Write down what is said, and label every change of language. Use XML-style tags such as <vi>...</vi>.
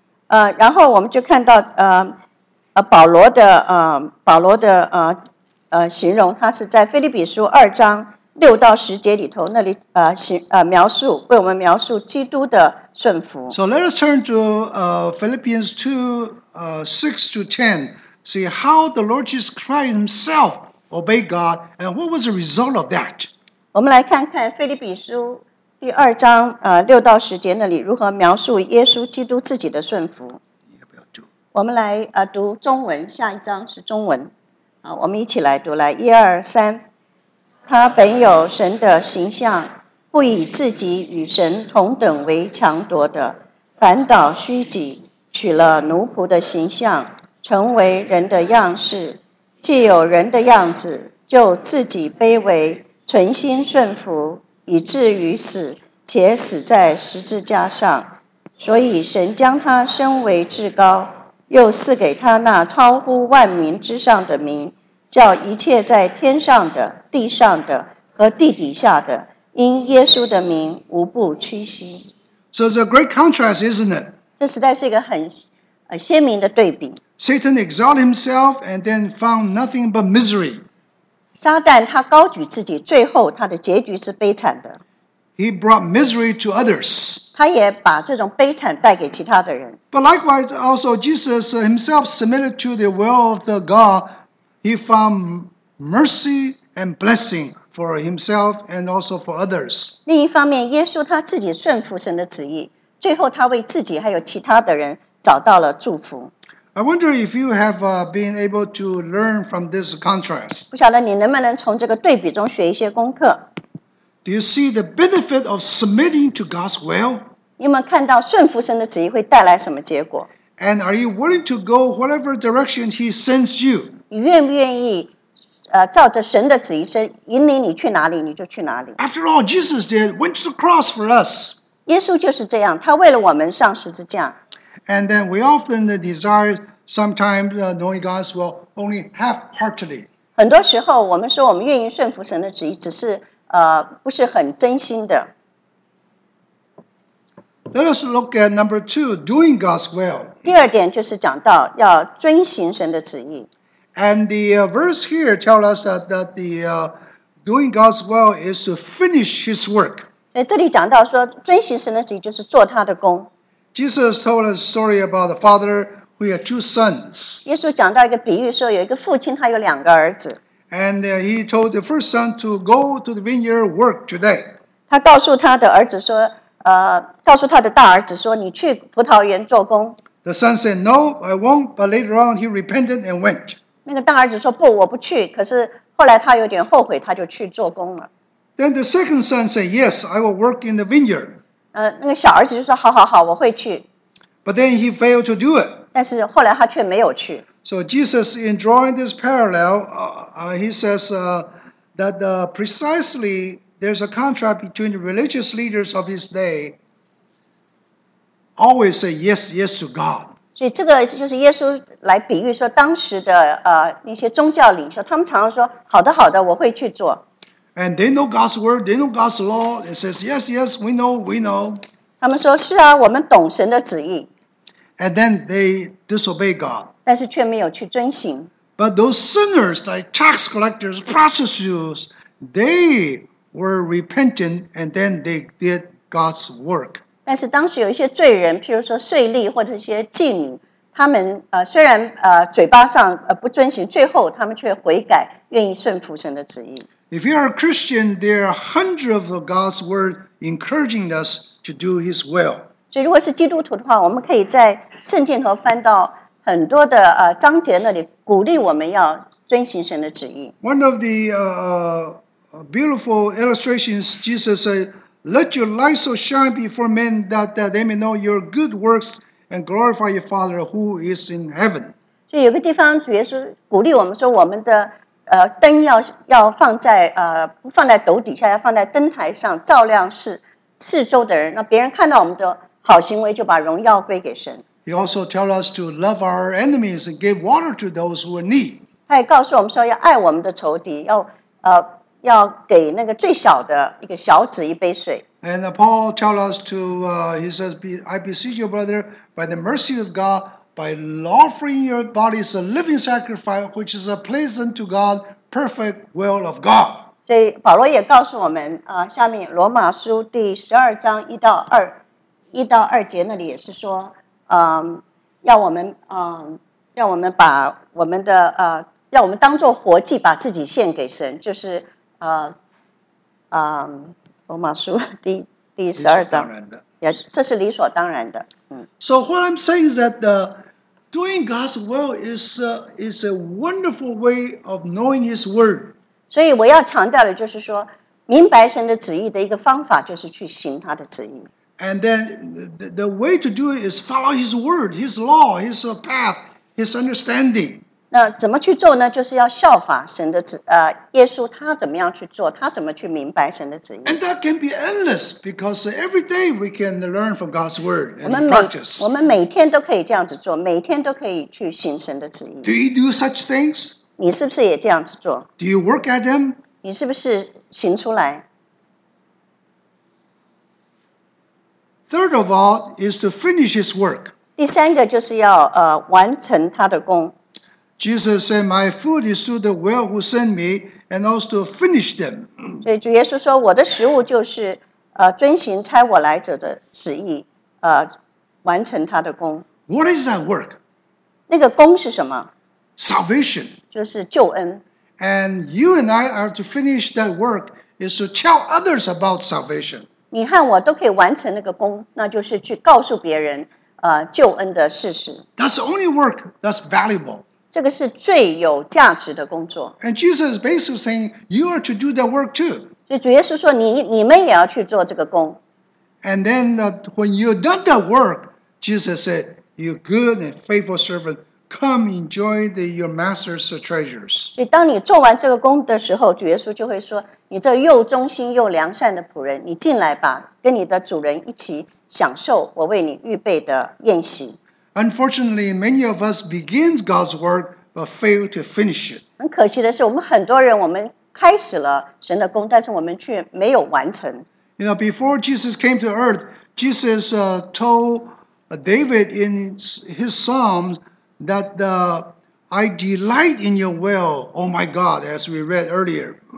<zh>然后我们就看到保罗的形容，他是在腓立比书二章六到十节里头那里描述，为我们描述基督的顺服。</zh> <en>So let us turn to Philippians 2, 6 to 10, see how the Lord Jesus Christ himself obey God, and what was the result of that?</en> <zh>我们来看看腓立比书第二章六到十节那里如何描述耶稣基督自己的顺服。我们来读中文，下一章是中文。我们一起来读，来，一二三。他本有神的形象，不以自己与神同等为强夺的，反倒虚己，取了奴仆的形象，成为人的样式。既有人的样子，就自己卑微，存心顺服，以至于死，且死在十字架上。所以神将他升为至高，又赐给他那超乎万民之上的名，叫一切在天上的、地上的和地底下的，因耶稣的名无不屈膝。</zh> <en>So it's a great contrast, isn't it?</en> <zh>这实在是一个很鲜明的对比。</zh> <en>Satan exalted himself and then found nothing but misery.</en> <zh>撒旦他高举自己，最后他的结局是悲惨的。</zh> <en>He brought misery to others.</en> <zh>他也把这种悲惨带给其他的人。</zh> <en>But likewise, also Jesus himself submitted to the will of the God. He found mercy and blessing. For himself and also for others.</en> <zh>另一方面，耶稣他自己顺服神的旨意，最后他为自己还有其他的人找到了祝福。</zh> <en>I wonder if you have been able to learn from this contrast.</en> <zh>不晓得你能不能从这个对比中学一些功课。</zh> <en>Do you see the benefit of submitting to God's will?</en> <zh>你有没有看到顺服神的旨意会带来什么结果？</zh> <en>And are you willing to go whatever direction He sends you?</en> <zh>你愿不愿意？照着神的旨意，神引领你去哪里，你就去哪里。</zh> <en>After all, Jesus did went to the cross for us.</en> <zh>耶稣就是这样，他为了我们上十字架。</zh> <en>And then we often desire sometimes knowing God's will only half-heartedly.</en> <zh>很多时候，我们说我们愿意顺服神的旨意，只是不是很真心的。</zh> <en>Let us look at number two, doing God's will.</en> <zh>第二点就是讲到要遵行神的旨意。</zh> <en>And the verse here tells us that the doing God's will is to finish His work.</en> <zh>这里讲到说，遵行神的旨意就是做他的工。</zh> <en>Jesus told a story about a father who had two sons.</en> <zh>耶稣讲到一个比喻说，有一个父亲他有两个儿子。</zh> <en>And he told the first son to go to the vineyard work today.</en> <zh>他告诉他的儿子说，告诉他的大儿子说，你去葡萄园做工。</zh> <en>The son said, "No, I won't." But later on, he repented and went.</en> <zh>那个大儿子说不，我不去。可是后来他有点后悔，他就去做工了。</zh> <en>Then the second son said, "Yes, I will work in the vineyard."</en> <zh>那个小儿子就说好好好，我会去。</zh> <en>But then he failed to do it.</en> <zh>但是后来他却没有去。</zh> <en>So Jesus, in drawing this parallel, he says that precisely there's a contrast between the religious leaders of his day always say yes, yes to God.</en> <zh>所以这个就是耶稣来比喻说当时的那些宗教领袖，他们常常说好的好的，我会去做。</zh> <en>And they know God's word, they know God's law. It says yes, yes, we know, we know.</en> <zh>他们说是啊，我们懂神的旨意。</zh> <en>And then they disobey God.</en> <zh>但是却没有去遵行。</zh> <en>But those sinners, like tax collectors, prostitutes, they were repentant, and then they did God's work.</en> <zh>但是当时有一些罪人，譬如说税吏或者一些妓女，他们虽然嘴巴上不遵行，最后他们却悔改，愿意顺服神的旨意。</zh> <en>If you are a Christian, there are hundreds of God's word encouraging us to do His will.</en> <zh>所以如果是基督徒的话，我们可以在圣经头翻到很多的章节那里，鼓励我们要遵行神的旨意。</zh> <en>One of the beautiful illustrations, Jesus said. Let your light so shine before men that they may know your good works and glorify your Father who is in heaven.</en> <zh>所以有个地方主耶稣鼓励我们说，我们的灯要放在不放在斗底下，要放在灯台上，照亮四周的人，那别人看到我们的好行为，就把荣耀归给神。</zh> <en>He also tells us to love our enemies and give water to those who are need.</en> <zh>他也告诉我们说，要爱我们的仇敌，要给那个最小的一个小子一杯水。</zh> <en>And Paul tells us to, he says, I beseech you, brother, by the mercy of God, by offering your bodies a living sacrifice, which is a pleasant to God, perfect will of God.</en> <zh>所以保罗也告诉我们，下面罗马书第十二章一到二节那里也是说，要我们把我们的要我们当作活祭，把自己献给神，就是。罗马书第十二章，这是理所当然的。</zh> <en>So what I'm saying is that doing God's will is a wonderful way of knowing His word.</en> <zh>所以我要强调的就是说，明白神的旨意的一个方法就是去行他的旨意。</zh> <en>And then the way to do it is follow His word, His law, His path, His understanding.</en> <zh>那怎么去做呢？就是要效法神的旨，耶稣他怎么样去做，他怎么去明白神的旨意。</zh> <en>And that can be endless because every day we can learn from God's word and practice.</en> <zh>我们每天都可以这样子做，每天都可以去行神的旨意。</zh> <en>Do you do such things?</en> <zh>你是不是也这样子做？</zh> <en>Do you work at them?</en> <zh>你是不是行出来？</zh> <en>Third of all is to finish his work.</en> <zh>第三个就是要完成他的工。</zh> <en>Jesus said, "My food is to the well who sent me, and also to finish them."</en> <zh>所以主耶稣说，我的食物就是遵行差我来者的旨意，完成他的工。</zh> <en>What is that work?</en> <zh>那个工是什么？</zh> <en>Salvation.</en> <zh>就是救恩。</zh> <en>And you and I are to finish that work is to tell others about salvation.</en> <zh>你和我都可以完成那个工，那就是去告诉别人救恩的事实。</zh> <en>That's the only work that's valuable.</en> <zh>这个是最有价值的工作。</zh> <en>And Jesus is basically saying, you are to do that work too.</en> <zh>所以主耶稣说你们也要去做这个工。</zh> <en>And then when you've done that work, Jesus said, you good and faithful servant, come enjoy your master's treasures.</en> <zh>所以当你做完这个工的时候，主耶稣就会说，你这又忠心又良善的仆人，你进来吧，跟你的主人一起享受我为你预备的宴席。</zh> <en>Unfortunately, many of us begin God's work but fail to finish it.</en> <zh>很可惜的是，我们很多人，我们开始了神的工，但是我们却没有完成。</zh> <en>You know, before Jesus came to earth, Jesus told David in his psalm that I delight in your will, oh my God, as we read earlier.</en>